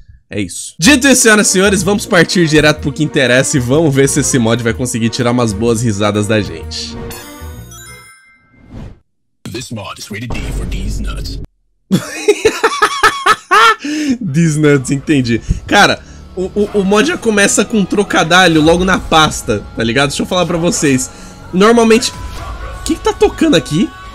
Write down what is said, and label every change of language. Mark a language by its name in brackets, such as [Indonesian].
[Portuguese] É isso. Dito isso, senhoras e senhores, vamos partir direto pro que interessa e vamos ver se esse mod vai conseguir tirar umas boas risadas da gente. [English] This mod is rated D for these nuts. These nuts, [Portuguese] entendi. Cara, o mod já começa com um trocadalho logo na pasta, tá ligado? Deixa eu falar pra vocês. Normalmente... Quem tá tocando aqui?